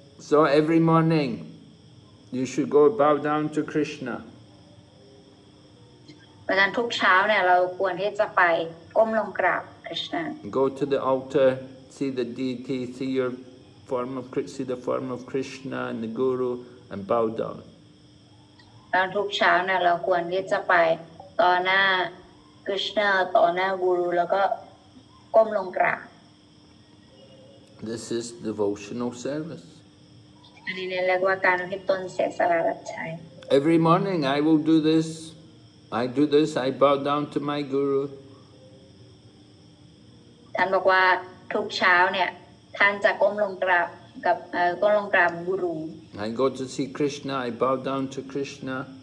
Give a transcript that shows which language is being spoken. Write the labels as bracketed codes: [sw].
[en] So every morning you should go bow down to Krishna [th] เวลาทุกเช้าเนี่ยเราควรที่จะไปก้มลงกราบคริสต์นา [en] Go to the altar see the deity see your form of see the form of Krishna and the guruAnd bow down. [th] ตอนทุกเช้าเนี่ยเราควรที่จะไปต่อหน้าคริสต์นาต่อหน้ากูรูแล้วก็ก้มลงกราบ [en] This is devotional service. [th] อันนี้เรียกว่าการที่ตนเสียสละรับใช้ [en] Every morning I will do this. I do this. I bow down to my guru. [th] ท่านบอกว่าทุกเช้าเนี่ยท่านจะก้มลงกราบกับก้มลงกราบกูรู [en] I go to see Krishna, I bow down to Krishna.